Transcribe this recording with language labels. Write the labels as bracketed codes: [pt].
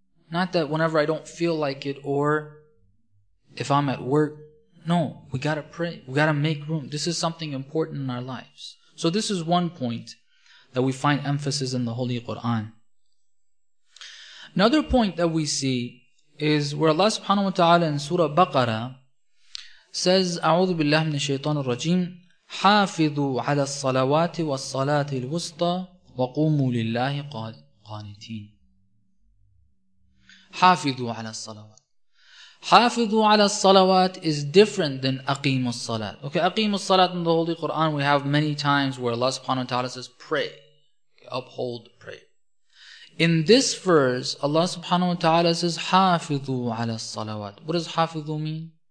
[en] Not that whenever I don't feel like it or if I'm at work. No, we got to pray. We got to make room. This is something important in our lives. So this is one point that we find emphasis in the Holy Quran. Another point that we see is where Allah subhanahu wa ta'ala in Surah Baqarah says, [ar] أعوذ بالله من الشيطان الرجيم حافظوا على الصلوات والصلاة الوسطى وقوموا لله قانتين حافظوا على الصلوات حافظوا على الصلوات [en] is different than [ar] أقيم الصلاة. [en] Okay, [ar] أقيم الصلاة [en] in the Holy Quran, we have many times where Allah subhanahu wa ta'ala says, pray, okay, uphold prayer. In this verse, Allah subhanahu wa ta'ala says, [ar] حافظوا على الصلوات. [en] What does [ar] حافظوا [en] mean?